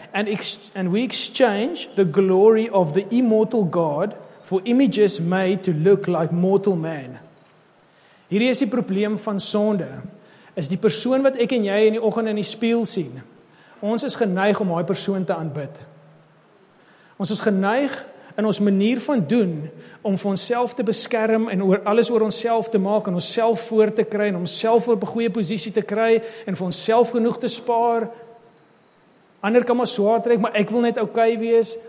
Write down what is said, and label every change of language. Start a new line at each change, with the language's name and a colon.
English: And we exchange the glory of the immortal God for images made to look like mortal man.
Afrikaans: Hierdie is die probleem van sonde, is die persoon wat ek en jy in die oggend in die spieël sien. Ons is geneig om daai persoon te aanbid. Ons is geneig in ons manier van doen om vir onsself te beskerm en oor alles oor onsself te maak en onsself voor te kry en onsself op 'n goeie posisie te kry en vir onsself genoeg te spaar. Ander kan maar swaar trek, maar ek wil net okay wees.